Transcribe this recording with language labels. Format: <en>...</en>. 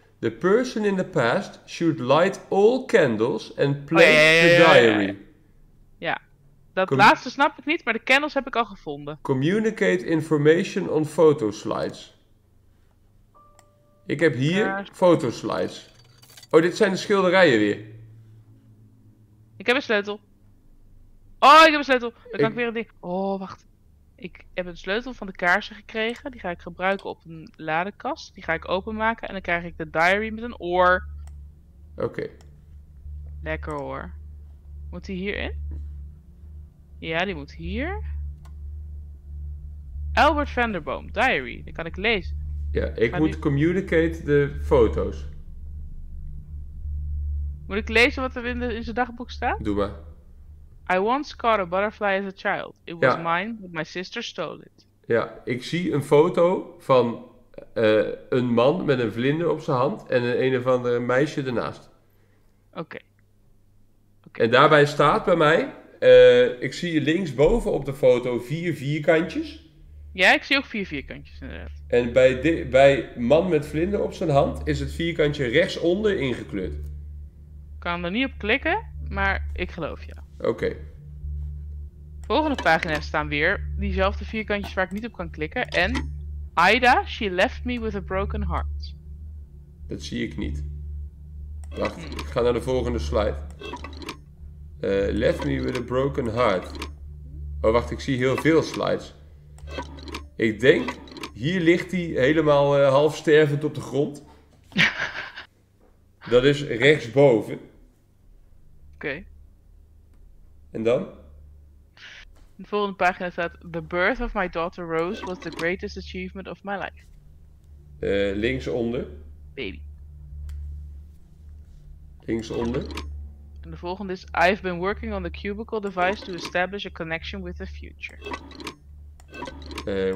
<en>The person in the past should light all candles and play diary.</en> <nl>Ja. Dat laatste snap ik niet, maar de candles heb ik al gevonden.</nl> <en>Communicate information on photo slides.</en> <nl>Ik heb hier photo slides. Oh, dit zijn de schilderijen weer. Ik heb een sleutel. Oh, ik heb een sleutel. Dan kan ik weer een ding... Oh, wacht. Ik heb een sleutel van de kaarsen gekregen. Die ga ik gebruiken op een ladekast. Die ga ik openmaken en dan krijg ik de diary met een oor. Oké. Lekker hoor. Moet die hierin? Ja, die moet hier. Albert Vanderboom, diary. Die kan ik lezen. Ja, ik moet nu... communicate de foto's. Moet ik lezen wat er in zijn dagboek staat? Doe maar.</nl> <en>I once caught a butterfly as a child. It was mine, but my sister stole it.</en> <nl>Ja, ik zie een foto van een man met een vlinder op zijn hand en een of andere meisje ernaast. Oké. En daarbij staat bij mij... ik zie linksboven op de foto vier vierkantjes. Ja, ik zie ook vier vierkantjes inderdaad. En bij man met vlinder op zijn hand is het vierkantje rechtsonder ingekleurd. Ik kan er niet op klikken, maar ik geloof je. Oké. Volgende pagina staan weer diezelfde vierkantjes waar ik niet op kan klikken.</nl> <en>En Ida, she left me with a broken heart.</en> <nl>Dat zie ik niet. Wacht, ik ga naar de volgende slide.</nl> <en>Left me with a broken heart.</en> <nl>Oh, wacht, ik zie heel veel slides. Ik denk, hier ligt hij helemaal half stervend op de grond. Dat is rechtsboven. Oké. En dan? De volgende pagina staat...</nl> <en>The birth of my daughter Rose was the greatest achievement of my life.</en> <nl>Linksonder. Baby. Linksonder. En de volgende is,</nl> <en>I've been working on the cubicle device to establish a connection with the future.</en>